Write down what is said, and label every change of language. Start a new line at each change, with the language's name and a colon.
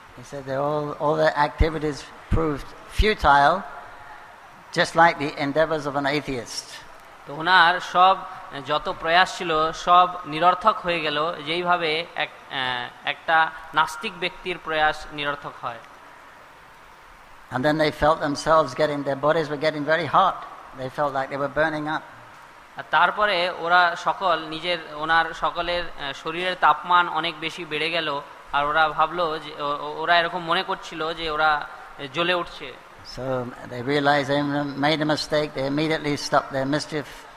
English: He said all the activities proved futile, just like the endeavors of an atheist.
Bangla: তো ওনার সব যত প্রয়াস ছিল সব নিরর্থক হয়ে গেল, যেইভাবে একটা নাস্তিক ব্যক্তির প্রয়াস নিরর্থক হয়।
English: And then they felt themselves getting, their bodies were getting very hot. They felt like they were burning up.
Bangla: তারপরে ওরা সকল নিজের ওনার সকলের শরীরের তাপমান অনেক বেশি বেড়ে গেল আর ওরা ভাবলো যে ওরা এরকম মনে করছিল যে ওরা জ্বলে উঠছে।
English: So they realized they made a mistake. They immediately stopped their mischief.